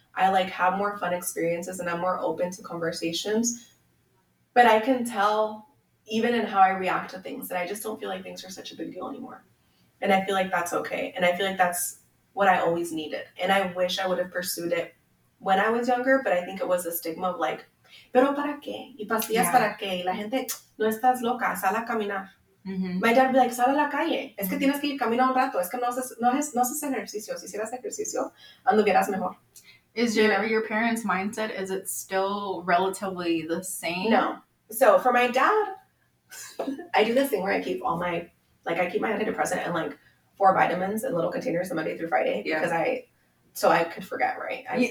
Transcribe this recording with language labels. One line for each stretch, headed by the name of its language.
English: I like have more fun experiences and I'm more open to conversations, but I can tell even in how I react to things that I just don't feel like things are such a big deal anymore. And I feel like that's okay. And I feel like that's what I always needed. And I wish I would have pursued it when I was younger, but I think it was a stigma of like,
Spanish: pero para qué? Y pastillas para qué? La gente no estás loca, sal a caminar. Mm-hmm.
English: My dad would be like,
Spanish: sal a la calle. Es que tienes que ir caminar un rato. Es que no haces ejercicio. Si hicieras ejercicio, anduvieras mejor.
English: Is your parents' mindset, is it still relatively the same? No. So for my dad, I do this thing where I keep all my, like, I keep my antidepressant and like four vitamins in little containers on Monday through Friday. Yeah. Because I, so I could forget, right?